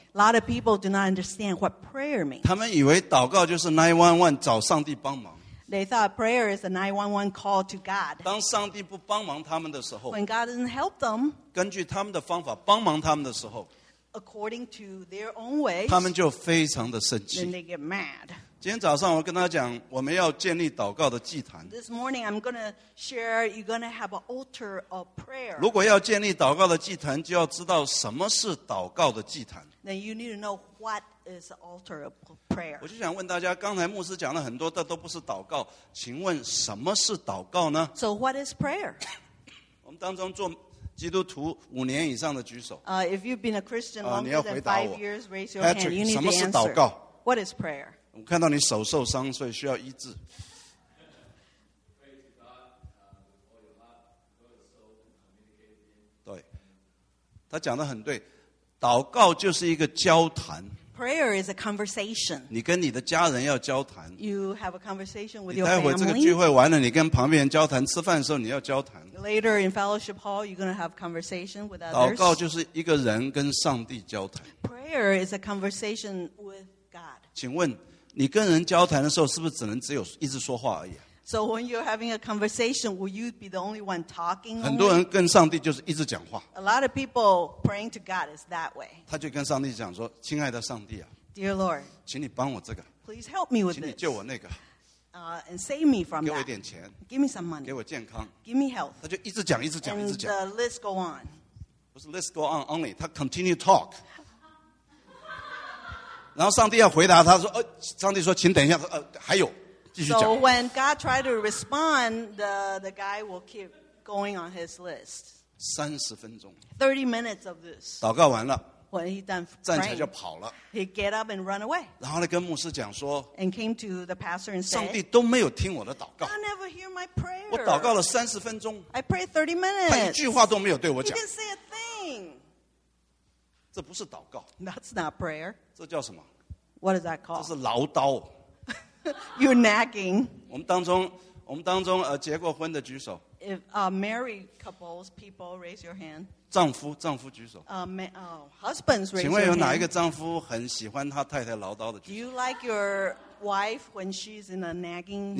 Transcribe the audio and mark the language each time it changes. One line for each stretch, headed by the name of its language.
English: A lot of people do not understand what prayer means.
Chinese: 他们以为祷告就是 911找上帝帮忙。
English: They thought prayer is a 911 call to God.
Chinese: 当上帝不帮忙他们的时候,
English: when God doesn't help them,
Chinese: 根据他们的方法帮忙他们的时候,
English: according to their own ways,
Chinese: 他们就非常的生气。
English: Then they get mad.
Chinese: 今天早上我跟他讲, 我们要建立祷告的祭坛。
English: This morning I'm going to share, you're going to have an altar of prayer.
Chinese: 如果要建立祷告的祭坛, 就要知道什么是祷告的祭坛。
English: Then you need to know what is the altar of prayer.
Chinese: 我就想问大家, 刚才牧师讲了很多, 这都不是祷告, 请问什么是祷告呢?
English: So what is prayer?
Chinese: 我们当中做基督徒五年以上的举手。
English: If you've been a Christian longer than 5 years, raise your Patrick, hand, you need to answer.
Chinese: 什么是祷告?
English: What is prayer?
Chinese: 我看到你手受伤, 所以需要医治。对, 他讲得很对。祷告就是一个交谈。
English: Prayer is a conversation.
Chinese: 你跟你的家人要交谈。
English: You have a conversation with your family.
Chinese: 你待会这个聚会完了, 你跟旁边人交谈, 吃饭的时候你要交谈。
English: Later in fellowship hall, you're going to have a conversation with others.
Chinese: 祷告就是一个人跟上帝交谈。
English: Prayer is a conversation with God.
Chinese: 请问, 你跟人交谈的时候, 是不是只能只有一直说话而已?
English: So when you're having a conversation, will you be the only one talking?
Chinese: 很多人跟上帝就是一直讲话。
English: A lot of people praying to God is that way.
Chinese: 他就跟上帝讲说, 亲爱的上帝啊,
English: Dear Lord,
Chinese: 请你帮我这个,
English: please help me with this.
Chinese: 请你救我那个,
English: and save me from
Chinese: 给我一点钱,
English: that. Give me some money.
Chinese: 给我健康,
English: give me health.
Chinese: 他就一直讲, 一直讲,
English: and
Chinese: 一直讲,
English: the list go on.
Chinese: 不是
English: list go on only,
Chinese: 他
English: continue talk.
Chinese: 然后上帝要回答他说, 上帝说, 请等一下, 还有。
English: So when God tried to respond, the guy will keep going on his list. 30 minutes of this.
Chinese: 祷告完了,
English: when he done praying,
Chinese: 站起来就跑了。
English: He get up and run away.
Chinese: 然后呢，跟牧师讲说
English: ，and came to the pastor and said,
Chinese: 上帝都没有听我的祷告。
English: I never hear my prayer.
Chinese: 我祷告了30分钟。
English: I pray 30 minutes.
Chinese: 他一句话都没有对我讲。
English: He didn't say a thing.
Chinese: 这不是祷告。
English: That's not prayer.
Chinese: 这叫什么
English: ？What is that called?
Chinese: 这是唠叨。
English: You're nagging.
Chinese: 我们当中结过婚的举手。
English: If married couples, people raise your hand.
Chinese: 丈夫举手。
English: Husbands raise your hand.
Chinese: 请问有哪一个丈夫很喜欢他太太唠叨的举手
English: ？Do you like your wife when she's in a nagging?